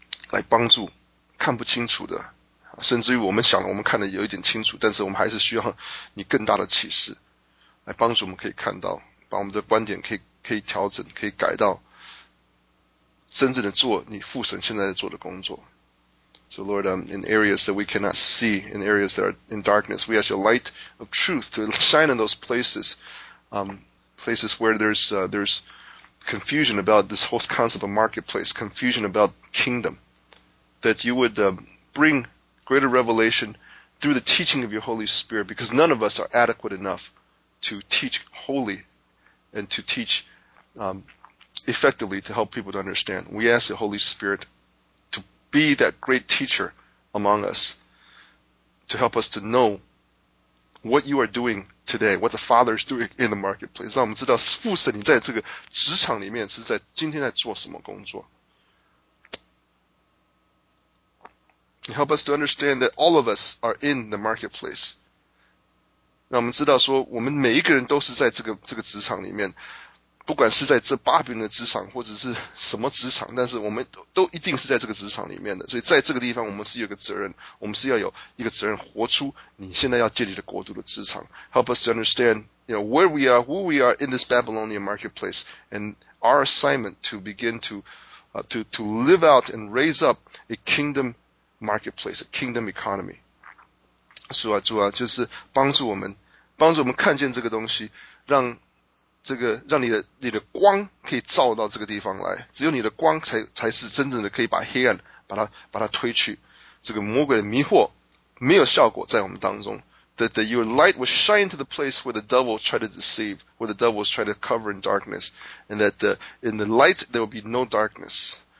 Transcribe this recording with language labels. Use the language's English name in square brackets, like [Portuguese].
[Chinese] 来帮助看不清楚的，甚至于我们想我们看得有一点清楚，但是我们还是需要你更大的启示来帮助我们，可以看到把我们的观点可以调整，可以改到真正的做你父神现在做的工作。 [English] So Lord, in areas that we cannot see, in areas that are in darkness, we ask your light of truth to shine in those places, places where there's confusion about this whole concept of marketplace, confusion about kingdom, that you would bring greater revelation through the teaching of your Holy Spirit, because none of us are adequate enough to teach wholly and to teach effectively to help people to understand. We ask the Holy Spirit to be that great teacher among us, to help us to know what you are doing today, what the Father is doing in the marketplace. [Chinese] 让我们知道父神你在这个职场里面是在今天在做什么工作。 [English] Help us to understand that all of us are in the marketplace. [Chinese] 让我们知道说我们每一个人都是在这个职场里面，不管是在这巴比伦的职场或者是什么职场，但是我们 都一定是在这个职场里面的，所以在这个地方我们是有个责任，我们是要有一个责任活出你现在要建立的国度的职场。 [English] Help us to understand, you know, where we are, who we are in this Babylonian marketplace, and our assignment to begin to live out and raise up a kingdom marketplace, a kingdom economy. [Chinese] 主啊，主啊，就是帮助我们，帮助我们看见这个东西，让这个让你的光可以照到这个地方来，只有你的光才是真正的可以把黑暗把它推去，这个魔鬼的迷惑没有效果在我们当中。 [English] That your light will shine to the place where the devil tried to deceive, where the devil was trying to cover in darkness, and that in the light there will be no darkness.